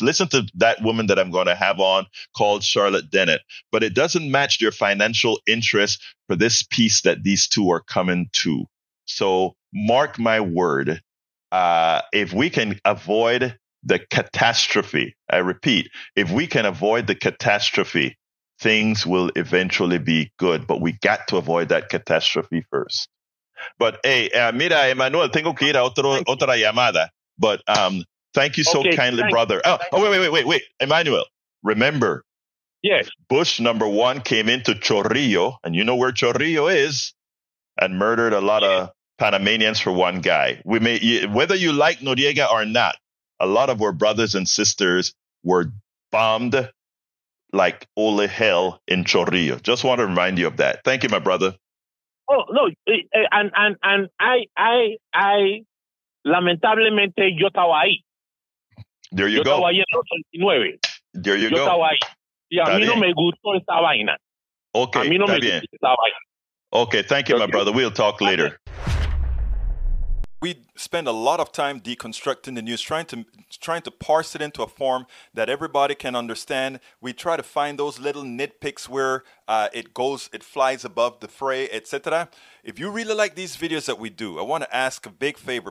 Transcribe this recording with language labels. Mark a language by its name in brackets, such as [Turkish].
[English] Listen to that woman that I'm going to have on called Charlotte Dennett, but it doesn't match their financial interests for this piece that these two are coming to. So mark my word, if we can avoid the catastrophe, I repeat, if we can avoid the catastrophe, things will eventually be good. But we got to avoid that catastrophe first. But hey, [Spanish] mira, Emmanuel, tengo que ir a otra llamada. [English] But thank you so kindly, brother. Wait. Emmanuel, remember. Yes. Bush number one came into Chorrillo, and you know where Chorrillo is, and murdered a lot of Panamanians for one guy. Whether you like Noriega or not, a lot of our brothers and sisters were bombed like holy hell in Chorrillo. Just want to remind you of that. Thank you, my brother. Oh no, and I [Spanish] lamentablemente yo estaba ahí. [English] There you go. [Spanish] Yo estaba en 89. [English] There you go. [Spanish] Yo estaba ahí. Y a mí no me gustó esa vaina. [English] Okay. [Spanish] A mí no me gustó esa vaina. [English] Okay. Thank you, my brother. We'll talk later. We spend a lot of time deconstructing the news, trying to parse it into a form that everybody can understand. We try to find those little nitpicks where it flies above the fray, etc. If you really like these videos that we do, I want to ask a big favor.